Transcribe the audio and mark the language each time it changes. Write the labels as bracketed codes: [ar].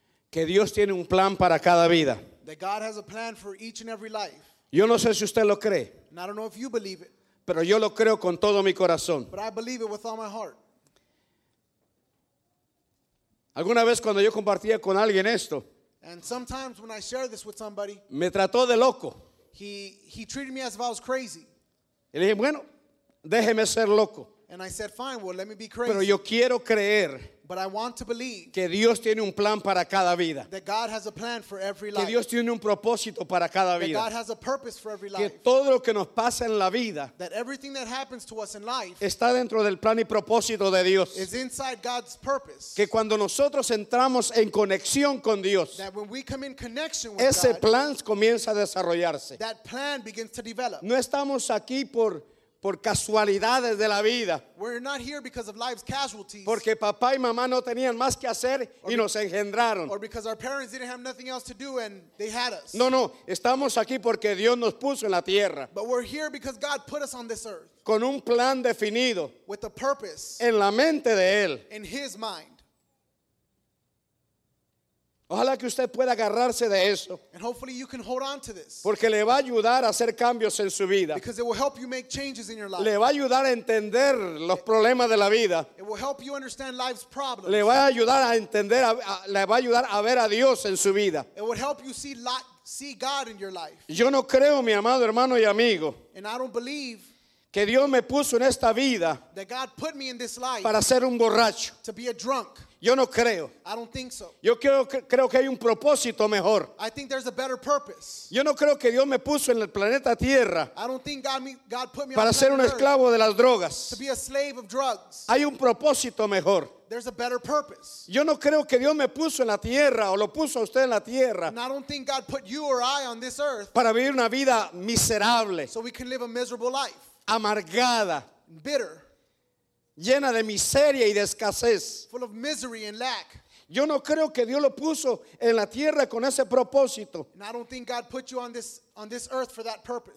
[es] Que Dios tiene un plan para cada vida. [en] That God has a plan for each and every life. [es] Yo no sé si usted lo cree. [en] And I don't know if you believe it. [es] Pero yo lo creo con todo mi corazón. [en] But I believe it with all my heart. [es] Alguna vez cuando yo compartía con alguien esto. [en] And sometimes when I share this with somebody. [es] Me trató de loco. [en] He treated me as if I was crazy. [es] Y le dije, bueno, déjeme ser loco. [en] And I said, fine, well, let me be crazy. [es] Pero yo quiero creer. [en] But I want to believe [es] que Dios tiene un plan para cada vida. [en] That God has a plan for every life. [es] Que Dios tiene un propósito para cada vida. [en] That God has a purpose for every life. [es] Que todo lo que nos pasa en la vida, [en] that everything that happens to us in life, [es] está dentro del plan y propósito de Dios. [en] Is inside God's purpose. [es] Que cuando nosotros entramos en conexión con Dios, [en] that when we come in connection with [es] ese [en] God, [es] plan comienza a desarrollarse. [en] That plan begins to develop. [es] No estamos aquí por casualidades de la vida. [en] We're not here because of life's casualties. [es] Porque papá y mamá no tenían más que hacer y nos engendraron. [en] Or because our parents didn't have nothing else to do and they had us. [es] No, no, estamos aquí porque Dios nos puso en la tierra. [en] But we're here because God put us on this earth. [es] Con un plan definido. [en] With a purpose. [es] En la mente de él. [en] In his mind. [es] Ojalá que usted pueda agarrarse de eso. [en] And hopefully you can hold on to this. [es] Porque le va a ayudar a hacer cambios en su vida. [en] Because it will help you make changes in your life. [es] Le va a ayudar a entender los problemas de la vida. [en] It will help you understand life's problems. [es] Le va a ayudar a entender, le va a ayudar a ver a Dios en su vida. [en] It will help you see God in your life. [es] Yo no creo, mi amado hermano y amigo. [en] And I don't believe [es] que Dios me puso en esta vida [en] that God put me in this life [es] para ser un borracho. [en] To be a drunk. [es] Yo no creo. [en] I don't think so. [es] Yo creo que hay un propósito mejor. [en] I think there's a better purpose. [es] Yo no creo que Dios me puso en el planeta Tierra. [en] I don't think God put me [es] para [en] on [es] ser un esclavo [en] earth [es] de las drogas. [en] To be a slave of drugs. [es] Hay un propósito mejor. [en] There's a better purpose. [es] Yo no creo que Dios me puso en la tierra o lo puso a usted en la tierra. [en] And I don't think God put you or I on this earth [es] para vivir una vida miserable. [en] So we can live a miserable life. [es] Amargada. [en] Bitter. [es] Llena de miseria y de escasez. [en] Full of misery and lack. [es] Yo no creo que Dios lo puso en la tierra con ese propósito. [en] And I don't think God put you on this earth for that purpose.